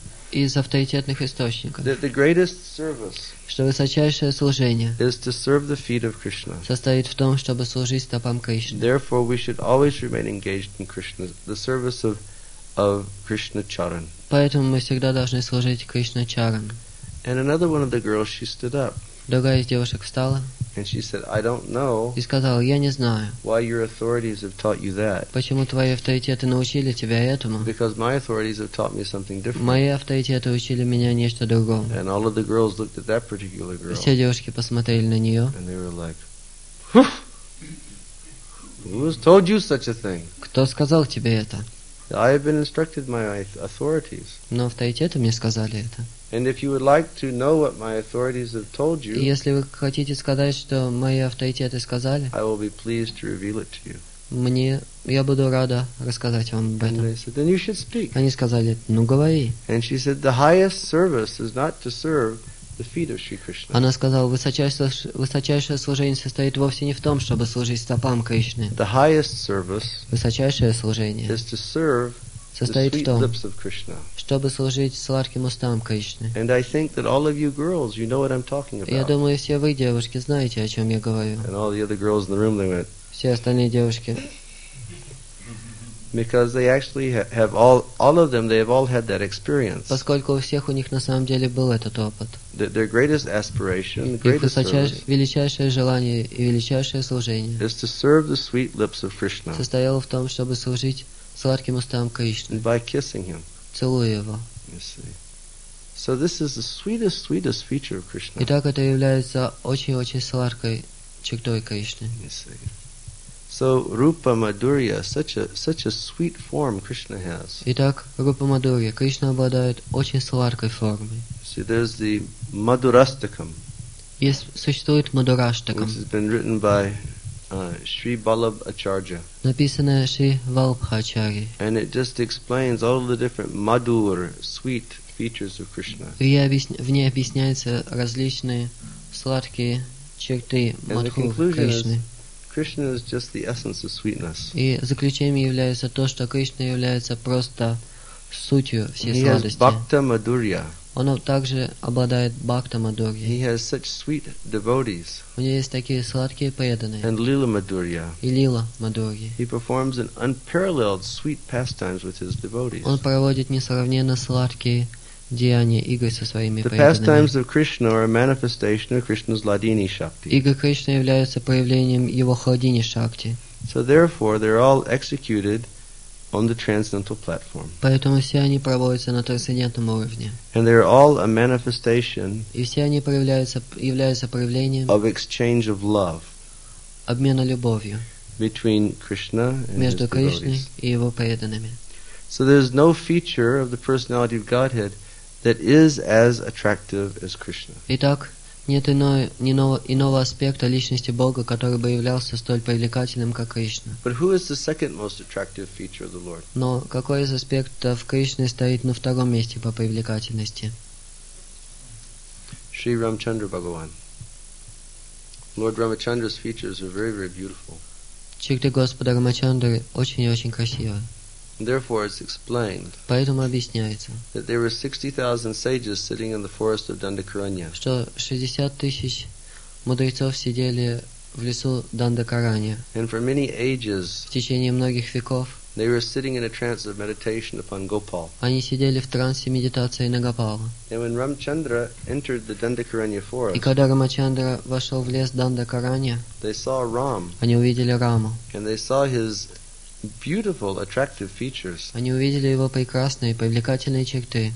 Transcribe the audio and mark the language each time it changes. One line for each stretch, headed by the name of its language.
Russian: Из авторитетных источников.
English: That the greatest service.
Russian: Что высочайшее служение.
English: Is to serve the feet of Krishna.
Russian: Состоит в том, чтобы служить стопам Кришны.
English: Therefore, we should always remain engaged in Krishna, the service of Krishna Charan.
Russian: Поэтому мы всегда должны служить Кришна-чаран.
English: And another one of the girls, she stood up.
Russian: Другая из девушек встала.
English: And she said, I don't know.
Russian: И сказала, я не знаю.
English: Why your authorities have taught you that?
Russian: Почему твои авторитеты научили тебя этому?
English: Because my authorities have taught me something different.
Russian: Мои авторитеты учили меня нечто другое.
English: And all of the girls looked at that particular girl.
Russian: Все девушки посмотрели на нее.
English: And they were like, Who has told you such a thing?
Russian: Кто сказал тебе это?
English: I have been instructed by my authorities.
Russian: Но авторитеты мне сказали это.
English: And if you would like to know what my authorities have told you,
Russian: если вы хотите сказать, что мои авторитеты сказали,
English: I will be pleased to reveal it to you.
Russian: мне, я буду рада рассказать вам об этом.
English: And they said, then you should speak.
Russian: Они сказали, ну говори.
English: And she said, the highest service is not to serve the feet of Sri Krishna.
Russian: Она сказала, высочайшее служение состоит вовсе не в том, чтобы служить стопам Кришны.
English: The highest service,
Russian: высочайшее служение,
English: is to serve
Russian: состоит
English: the sweet
Russian: в том,
English: lips of Krishna.
Russian: Чтобы служить сладким устам Кришны.
English: And I think that all of you girls, you know what I'm talking about.
Russian: Я думаю, все вы, девушки, знаете, о чем я говорю.
English: And all the other girls in the room, they went.
Russian: Все остальные девушки.
English: Because they actually have all of them, they have all had that experience.
Russian: Поскольку у всех у них на самом деле был этот опыт.
English: Their greatest aspiration, greatest service,
Russian: величайшее желание и величайшее служение
English: is to serve the sweet lips of Krishna.
Russian: Состояло в том, чтобы служить сладким устам Кришны.
English: By kissing him.
Russian: Целуя его.
English: You see. So this is the sweetest feature of Krishna.
Russian: Итак, это является очень-очень сладкой чертой Кришны.
English: You see. So Rupa Madhurya, such a sweet form Krishna has.
Russian: Итак, Рупа Мадурья, Кришна обладает очень сладкой формой.
English: See, there's the Madhurastakam.
Russian: Существует Мадхурастакам.
English: Which has been written by Sri Vallabh Acharya.
Russian: Написанное Шри Валбха Ачарьей.
English: And it just explains all the different madhur, sweet features of Krishna.
Russian: В ней объясняются различные сладкие черты мадхур Кришны.
English: Krishna is just the essence of sweetness.
Russian: И заключением является то, что Кришна является просто сутью всей сладости.
English: He has bhakta madhurya.
Russian: Он также обладает бхакта мадурья.
English: He has such sweet devotees.
Russian: У него есть такие сладкие преданные.
English: And lila madhurya.
Russian: И лила мадурья.
English: He performs an unparalleled sweet pastimes with his devotees.
Russian: Он проводит несравненно сладкие деяния, игры со своими преданными.
English: The pastimes of Krishna are a manifestation of Krishna's Ladini Shakti.
Russian: Игры Кришны являются проявлением его Ладини Шакти.
English: So therefore, they're all executed on the transcendental platform.
Russian: Поэтому все они проводятся на трансцендентном уровне.
English: And they're all a manifestation.
Russian: И все они являются проявлением
English: of exchange of love.
Russian: Обмена любовью.
English: Between Krishna and his devotees.
Russian: Между Кришной и его преданными.
English: So there's no feature of the personality of Godhead that is as attractive as Krishna.
Russian: Итак, нет иного аспекта личности Бога, который бы являлся столь привлекательным, как Кришна.
English: But who is the second most attractive feature of the Lord?
Russian: Но какой из аспектов Кришны стоит на втором месте по привлекательности?
English: Sri Ramchandra Bhagavan. Lord Ramachandra's features are very, very beautiful.
Russian: Черты Господа Рамачандры очень и очень красивы.
English: Therefore, it's explained.
Russian: Поэтому объясняется.
English: That there were 60,000 sages sitting in the forest of Dandakaranya.
Russian: Что 60,000 мудрецов сидели в лесу Дандакаранья.
English: And for many ages.
Russian: В течение многих веков.
English: They were sitting in a trance of meditation upon Gopal.
Russian: Они сидели в трансе медитации на Гопала.
English: And when Ramchandra entered the Dandakaranya forest.
Russian: И когда Рамачандра вошел в лес Дандакаранья.
English: They saw Ram.
Russian: Они увидели Раму.
English: And they saw his beautiful, attractive features.
Russian: Они увидели его прекрасные, привлекательные черты.